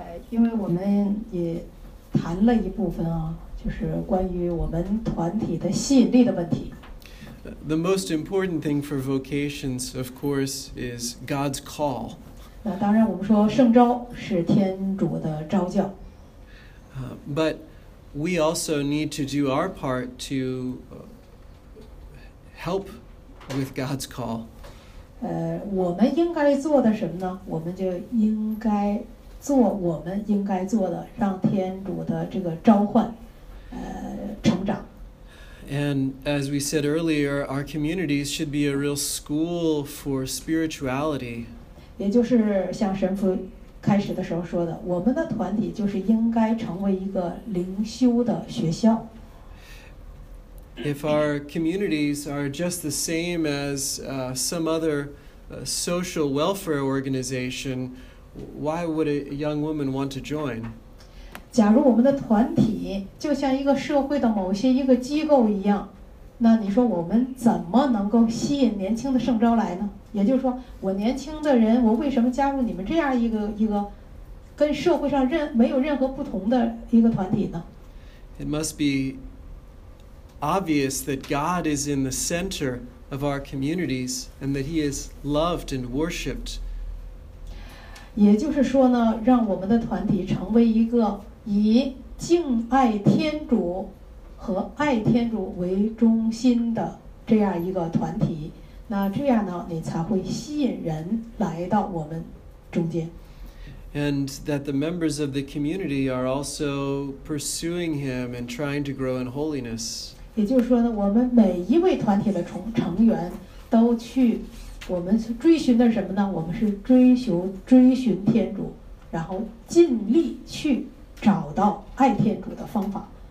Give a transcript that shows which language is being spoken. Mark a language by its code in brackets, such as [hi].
[zh] 因为我们也谈了一部分啊，就是关于我们团体的吸引力的问题。 [en] The most important thing for vocations, of course, is God's call. [zh] 那当然，我们说圣召是天主的召教。 [en] But we also need to do our part to help with God's call. [zh] 我们应该做的什么呢？我们就应该做我们应该做的，让天主的这个召唤，成长。 [en] And as we said earlier, our communities should be a real school for spirituality. [zh] 也就是像神父开始的时候说的，我们的团体就是应该成为一个灵修的学校。 [en] If our communities are just the same as some other social welfare organization, why would a young woman want to join? [zh] 假如我们的团体就像一个社会的某些一个机构一样，那你说我们怎么能够吸引年轻的圣召来呢？也就是说，我年轻的人，我为什么加入你们这样一个跟社会上没有任何不同的一个团体呢？ [en] It must beobvious that God is in the center of our communities and that he is loved and worshipped. [zh] 也就是说呢，让我们的团体成为一个以敬爱天主和爱天主为中心的这样一个团体，那这样呢，你才会吸引人来到我们中间。 [en] And that the members of the community are also pursuing him and trying to grow in holiness. [zh] 也就是说呢，我们每一位团体的成员都去，我们追寻的什么呢？我们是追寻天主，然后尽力去找到爱天主的方法。